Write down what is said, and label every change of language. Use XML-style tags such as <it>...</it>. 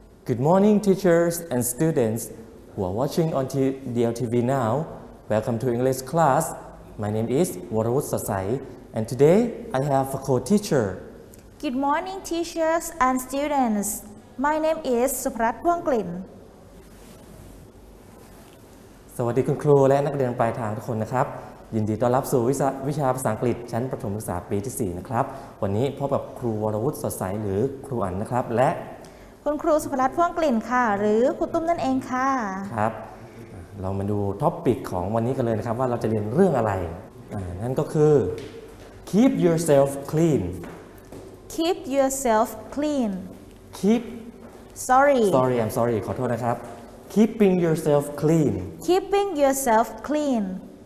<en>Good morning, teachers and students who are watching on DLTV now. Welcome to English class. My name is Warawut Sasai, and today I have a co-teacher. Good morning, teachers and students. My name is Suprat Wanglin.</en> <th>สวัสดีคุณครูและนักเรียนปลายทางทุกคนนะครับยินดีต้อนรับสู่วิชาภาษาอังกฤษชั้นประถมศึกษาปีที่4นะครับวันนี้พบกับครูวรวุฒิสดใสหรือครูอั๋นนะครับและ คุณครูสุภรัตน์พ่วงกลิ่นค่ะหรือครูตุ้มนั่นเองค่ะ ครับเรามาดูท็อปปิกของวันนี้กันเลยนะครับว่าเราจะเรียนเรื่องอะไรนั่นก็คือ</th> <en>keep yourself clean keep yourself clean keep sorry I'm sorry</en> <th>ขอโทษนะครับ</th> <en>keeping yourself clean keeping yourself clean</en>